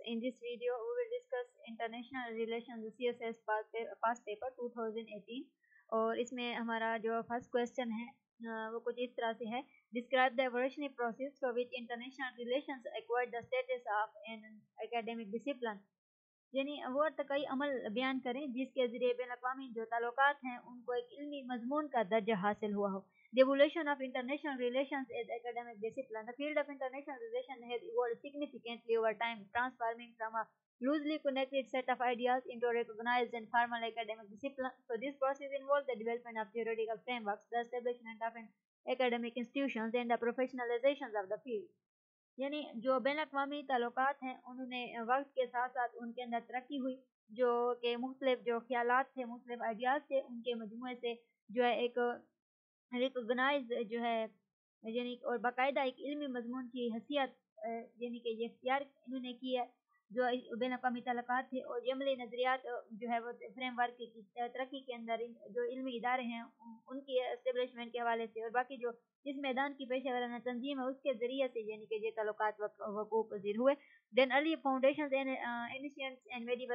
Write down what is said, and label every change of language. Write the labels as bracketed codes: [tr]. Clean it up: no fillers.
[en] In this video, we will discuss international relations CSS past paper 2018. And in this, our first question is something like this: describe the evolutionary process for which international relations acquired the status of an academic discipline. [ur] یعنی وہ ارتقائی عمل بیان کریں جس کے ذریعے بین الاقوامی جو تعلقات ہیں ان کو ایک علمی مضمون کا درجہ حاصل ہوا ہو. [en] The evolution of international relations as academic discipline. The field of international relations has evolved significantly over time, transforming from a loosely connected set of ideas into a recognized and formal academic discipline. So this process involves the development of theoretical frameworks, the establishment of an academic institutions and the professionalization of the field. [ur] یعنی جو بین الاقوامی تعلقات ہیں انہوں نے وقت کے ساتھ ساتھ ان کے اندر ترقی ہوئی جو کہ مختلف جو خیالات تھے مختلف آئیڈیاز تھے ان کے مجموعے سے جو ہے ایک ریکوگنائز جو ہے یعنی اور باقاعدہ ایک علمی مضمون کی حیثیت یعنی کہ یہ اختیار انہوں نے کیا جو بین الاقوامی تعلقات تھے اور عملی نظریات جو ہے وہ فریم ورک کی ترقی کے اندر جو علمی ادارے ہیں ان کی اسٹیبلشمنٹ کے حوالے سے اور باقی جو جس میدان کی پیشہ ورانہ تنظیم ہے اس کے ذریعے سے یعنی کہ یہ تعلقات وقوع پذیر ہوئے [en] then early foundations ancients and